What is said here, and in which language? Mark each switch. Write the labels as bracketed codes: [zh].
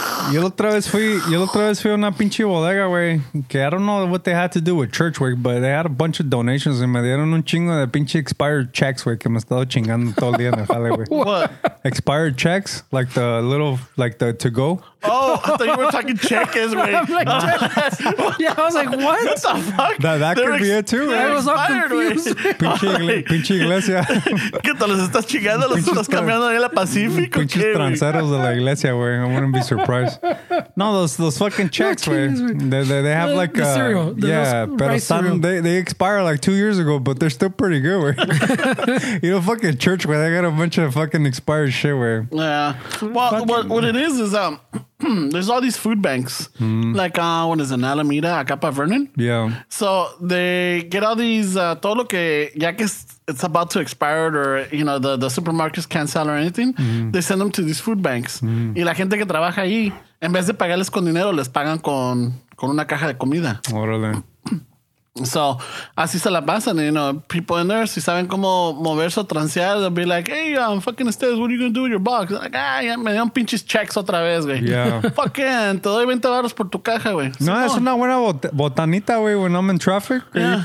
[es] Yo la otra vez fui a una pinche bodega, güey. [en] Que I don't know what they had to do with church, güey. But they had a bunch of donations [es] y me dieron un chingo de pinche [en] expired checks, [es] güey. Que me he estado chingando todo el día en el jale, güey. [en] What? Expired checks? Like the little, like the to go? Oh, I thought you were talking checkers, güey. I'm like, checkers. Yeah, I was like, what? What the fuck? That could be it too, right? I was all confused. [es] Pinche iglesia. ¿Qué te los estás chingando? ¿Los estás cambiando ahí en la Pacífico? Pinches tranceros de la iglesia, güey. [en] I wouldn't be surprised. No, those fucking checks, güey. They have like the cereal. They expire like 2 years ago, but they're still pretty good, güey. You know, fucking church, güey. They got a bunch of fucking expired shit, güey. Yeah. Well, what it is there's all these food banks, like what is it, in Alameda, [es] acá para Vernon. [en] Yeah. So they get all these [es] todo lo que ya que [en] it's about to expire or you know the supermarkets can't sell or anything. Mm. They send them to these food banks. Mm. [es] Y la gente que trabaja ahí, en vez de pagarles con dinero, les pagan con una caja de comida. Órale. [en] So, [es] así se la pasan, [en] you know, people in there, [es] si saben cómo moverse o transear, [en] they'll be like, hey, I'm fucking Estes, what are you going to do with your box? They're like, [es] ay, me dieron pinches checks otra vez, güey. [en] Yeah. Fucking, [es] te doy 20 baros por tu caja, güey. No, es una buena botanita, güey, [en] when I'm in traffic. Yeah.